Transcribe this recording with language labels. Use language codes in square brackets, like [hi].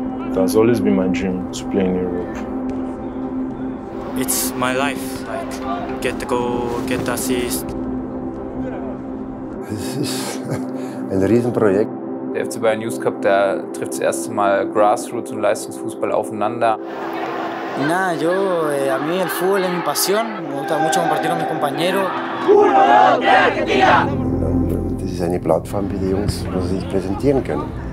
[en] It has always been my dream to play in Europe. It's my life, like, get the goal, get the assist. This is a riesen project. [de] Der FC Bayern Youth Cup, der trifft das erste Mal Grassroots und Leistungsfußball aufeinander. [es] Y nada, yo, a mí el fútbol es mi pasión. Me gusta mucho compartir con mis compañeros. [de] Das ist eine Plattform für die Jungs, wo sie sich präsentieren können.